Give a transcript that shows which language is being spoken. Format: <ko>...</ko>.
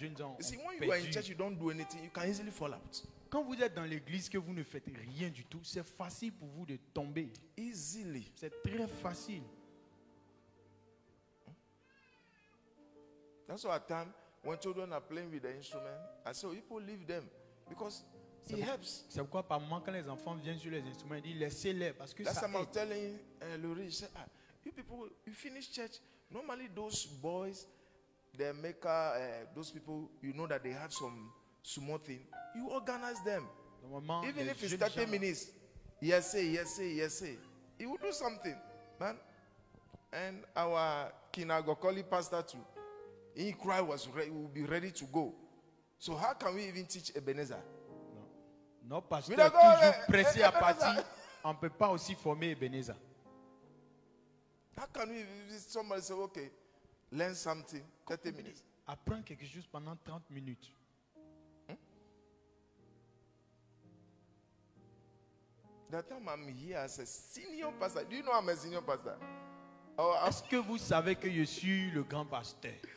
<en>You see, when you are in church, you don't do anything. You can easily fall out.</en> <fr>Quand vous êtes dans l'église, que vous ne faites rien du tout, c'est facile pour vous de tomber.</fr> <en>Easily.</en> <fr>C'est très facile.</fr> <en>That's why at time when children are playing with the instrument, I say, people leave them because. It helps.</en> <fr>C'est pourquoi par moment quand les enfants viennent sur les instruments, ils disent laissez-les parce que</fr> <en>that's That's what I'm telling Laurie. You, ah, you people, you finish church. Normally those boys, the maker, those people, you know that they have some small thing. You organize them.</en> <fr>Normalement,</fr> <en>even if it's 30 minutes, yes, say. He will do something, man. And our Kinagokoli pastor too, he cried was ready, will be ready to go. So how can we even teach Ebenezer?</en> <fr>Non, parce que toujours pressé à partir, on ne peut pas aussi former Ebenezer.</fr> <en>How can we, if somebody say, okay, learn something, 30 minutes.</en> <fr>Apprends quelque chose pendant 30 minutes.</fr> <en>That time I'm here as a senior pastor. Do you know I'm a senior pastor?</en> <fr>Oh, est-ce que vous savez que je suis le grand pasteur?</fr>